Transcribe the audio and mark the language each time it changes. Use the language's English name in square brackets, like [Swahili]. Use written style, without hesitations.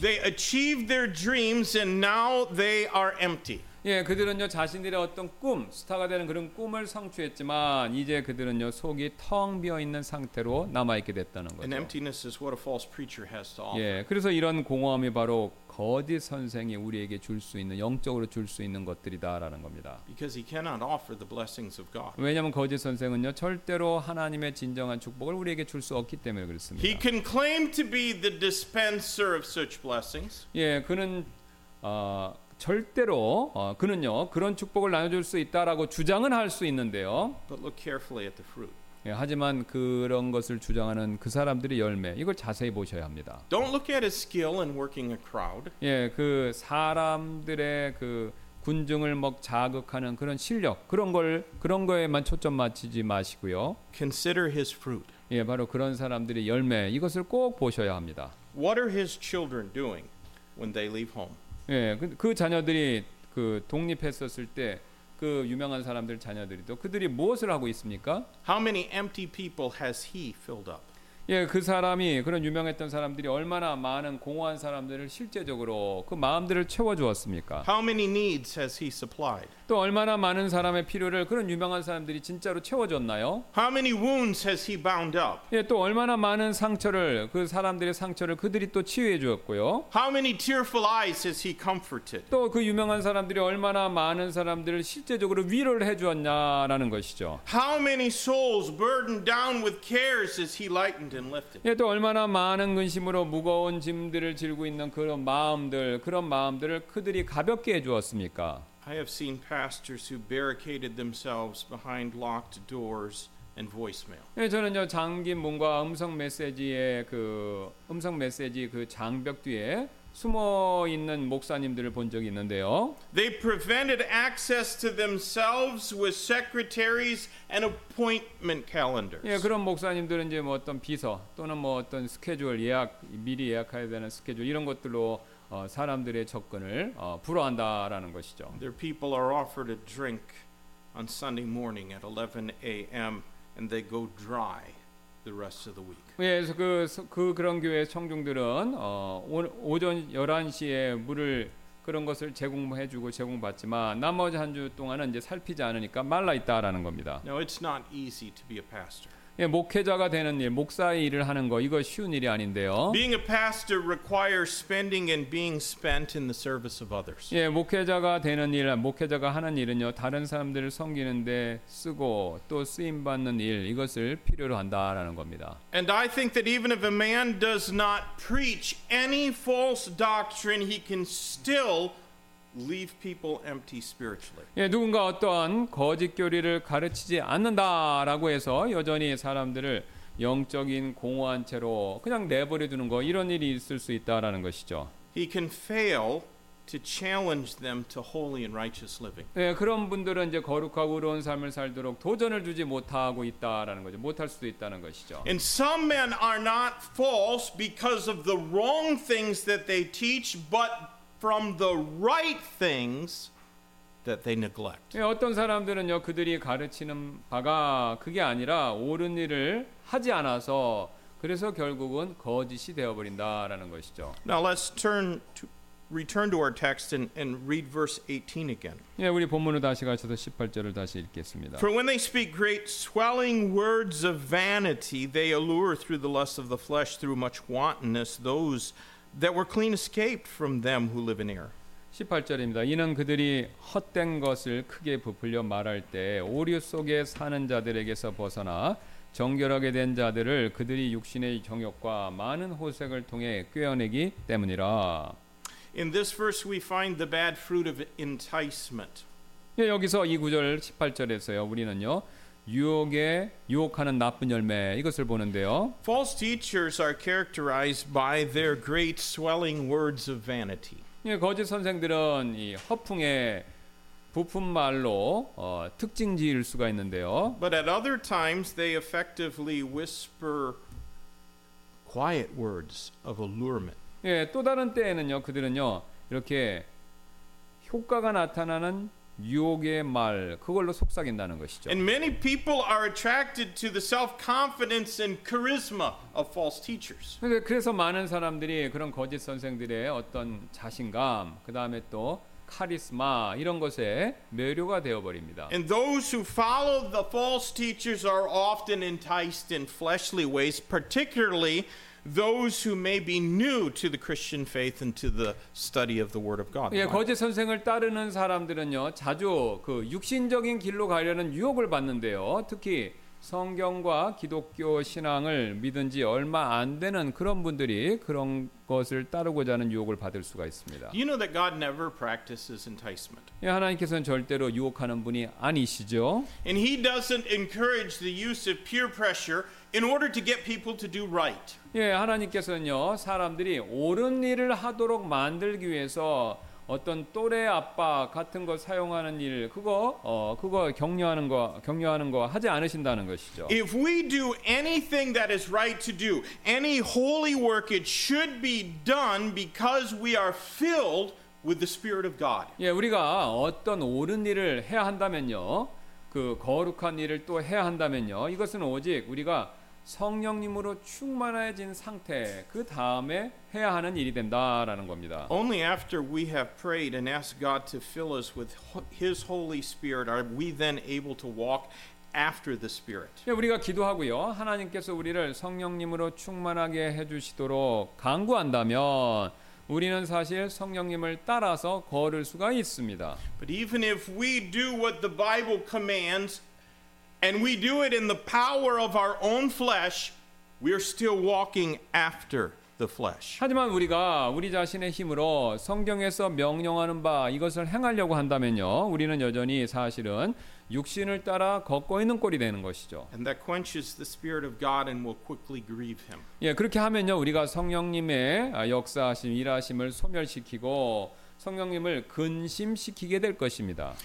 [English] They achieved their dreams and now they are empty. [Korean] 예, 그들은요 자신들의 어떤 꿈, 스타가 되는 그런 꿈을 성취했지만 이제 그들은요 속이 텅 비어 있는 상태로 남아 있게 됐다는 거죠. [English] An emptiness is what a false preacher has to offer. [Korean] 예, 그래서 이런 공허함이 바로 거짓 선생이 우리에게 줄 수 있는 영적으로 줄 수 있는 것들이다라는 겁니다. [English] Because he cannot offer the blessings of God. [Korean] 왜냐면 거짓 선생은요 절대로 하나님의 진정한 축복을 우리에게 줄 수 없기 때문에 그렇습니다. [English] He can claim to be the dispenser of such blessings. [Korean] 예, 그는 절대로 그는요 그런 축복을 나눠줄 수 있다라고 주장은 할 수 있는데요. [English] But look carefully at the fruit. [Korean] 예, 하지만 그런 것을 주장하는 그 사람들의 열매 이걸 자세히 보셔야 합니다. [English] Don't look at his skill in working a crowd. [Korean] 예, 그 사람들의 그 군중을 막 자극하는 그런 실력 그런 걸 그런 거에만 초점 맞추지 마시고요. [English] Consider his fruit. [Korean] 예, 바로 그런 사람들의 열매 이것을 꼭 보셔야 합니다. [English] What are his children doing when they leave home? [Korean] 예, 그 자녀들이 그 독립했었을 때 그 유명한 사람들 자녀들이도 그들이 무엇을 하고 있습니까? [English] How many empty people has he filled up? [Korean] 예, 그 사람이 그런 유명했던 사람들이 얼마나 많은 공허한 사람들을 실제적으로 그 마음들을 채워 주었습니까? [English] How many needs has he supplied? [Korean] 또 얼마나 많은 사람의 필요를 그런 유명한 사람들이 진짜로 채워 줬나요? [English] How many wounds has he bound up? [Korean] 예, 또 얼마나 많은 상처를 그 사람들의 상처를 그들이 또 치유해 주었고요. [English] How many tearful eyes has he comforted? [Korean] 또 그 유명한 사람들이 얼마나 많은 사람들을 실제적으로 위로를 해 주었냐라는 것이죠. [English] How many souls burdened down with cares has he lightened? [Korean] 예, 또 얼마나 많은 근심으로 무거운 짐들을 지고 있는 그런 마음들, 그런 마음들을 그들이 가볍게 해 주었습니까? [English] I have seen pastors who barricaded themselves behind locked doors and voicemail. [Korean] 예, 저는요 잠긴 문과 음성 메시지의 그 음성 메시지 그 장벽 뒤에 숨어 있는 목사님들을 본 적이 있는데요. [English] They prevented access to themselves with secretaries and appointment calendars. [Korean] 예, 그런 목사님들은 이제 뭐 어떤 비서 또는 뭐 어떤 스케줄 예약 미리 예약해야 되는 스케줄 이런 것들로 사람들의 접근을 불허한다라는 것이죠. [English] Their people are offered a drink on Sunday morning at 11 a.m. and they go dry the rest of the week. [Korean] 예, 그 그런 교회 청중들은 오전 11시에 물을 그런 것을 제공해 주고 제공받지만 나머지 한 주 동안은 이제 살피지 않으니까 말라 있다라는 겁니다. [English] Now it's not easy to be a pastor. [Korean] 예, 목회자가 되는 일, 목사의 일을 하는 거 이거 쉬운 일이 아닌데요. [English] Being a pastor requires spending and being spent in the service of others. [Korean] 예, 목회자가 되는 일, 목회자가 하는 일은요. 다른 사람들을 섬기는 데 쓰고 또 쓰임 받는 일 이것을 필요로 한다라는 겁니다. [English] And I think that even if a man does not preach any false doctrine, he can still leave people empty spiritually. [Korean] 예, 누군가 어떠한 거짓 교리를 가르치지 않는다라고 해서 여전히 사람들을 영적인 공허한 채로 그냥 내버려 두는 거 이런 일이 있을 수 있다라는 것이죠. [English] He can fail to challenge them to holy and righteous living. [Korean] 예, 그런 분들은 이제 거룩하고 의로운 삶을 살도록 도전을 주지 못하고 있다라는 거죠. 못할 수도 있다는 것이죠. [English] And some men are not false because of the wrong things that they teach, but from the right things that they neglect. [Korean] 예, 어떤 사람들은요 그들이 가르치는 바가 그게 아니라 옳은 일을 하지 않아서 그래서 결국은 거짓이 되어버린다라는 것이죠. [English] Now let's return to our text and read verse 18 again. [Korean] 예, 우리 본문으로 다시 가셔서 18절을 다시 읽겠습니다. [English] For when they speak great swelling words of vanity, they allure through the lust of the flesh, through much wantonness, those that were clean escaped from them who live in error. [Korean] 18절입니다. 이는 그들이 헛된 것을 크게 부풀려 말할 때 오류 속에 사는 자들에게서 벗어나 정결하게 된 자들을 그들이 육신의 정욕과 많은 호색을 통해 꾀어내기 때문이라. [English] In this verse we find the bad fruit of enticement. [Korean] 예, 여기서 이 구절 18절에서요. 우리는요. 유혹에 유혹하는 나쁜 열매 이것을 보는데요. [English] False teachers are characterized by their great swelling words of vanity. [Korean] 예, 거짓 선생들은 이 허풍의 부푼 말로 특징 지을 수가 있는데요. [English] But at other times they effectively whisper quiet words of allurement. [Korean] 예, 또 다른 때에는요. 그들은요. 이렇게 효과가 나타나는 유혹의 말 그걸로 속삭인다는 것이죠. [English] And many people are attracted to the self-confidence and charisma of false teachers. [Korean] 그래서 많은 사람들이 그런 거짓 선생들의 어떤 자신감, 그다음에 또 카리스마 이런 것에 매료가 되어 버립니다. [English] And those who follow the false teachers are often enticed in fleshly ways, particularly those who may be new to the Christian faith and to the study of the Word of God. [Korean] 예, 거짓 선생을 따르는 사람들은요, 자주 그 육신적인 길로 가려는 유혹을 받는데요. 특히 성경과 기독교 신앙을 믿은 지 얼마 안 되는 그런 분들이 그런 것을 따르고자 하는 유혹을 받을 수가 있습니다. [English] You know that God never practices enticement. [Korean] 예, 하나님께서는 절대로 유혹하는 분이 아니시죠. [English] And he doesn't encourage the use of peer pressure in order to get people to do right. [Korean] 예, 하나님께서는요, 사람들이 옳은 일을 하도록 만들기 위해서 어떤 또래 아빠 같은 거 사용하는 일 그거 격려하는 거 하지 않으신다는 것이죠. [English] If we do anything that is right to do, any holy work, it should be done because we are filled with the Spirit of God. [Korean] 예, 우리가 어떤 옳은 일을 해야 한다면요. 그 거룩한 일을 또 해야 한다면요. 이것은 오직 우리가 성령님으로 충만해진 상태 그 다음에 해야 하는 일이 된다라는 겁니다. [English] Only after we have prayed and asked God to fill us with His Holy Spirit are we then able to walk after the Spirit. [Korean] 예, 우리가 기도하고요. 하나님께서 우리를 성령님으로 충만하게 해주시도록 간구한다면 우리는 사실 성령님을 따라서 걸을 수가 있습니다. [English] But even if we do what the Bible commands, and we do it in the power of our own flesh, we are still walking after the flesh. [Korean] 하지만 우리가 우리 자신의 힘으로 성경에서 명령하는 바 이것을 행하려고 한다면요, 우리는 여전히 사실은 육신을 따라 걷고 있는 꼴이 되는 것이죠. [English] And that quenches the Spirit of God and will quickly grieve Him. [Korean] 예, 그렇게 하면요, 우리가 성령님의 역사하심, 일하심을 소멸시키고 성령님을 근심시키게 될 것입니다.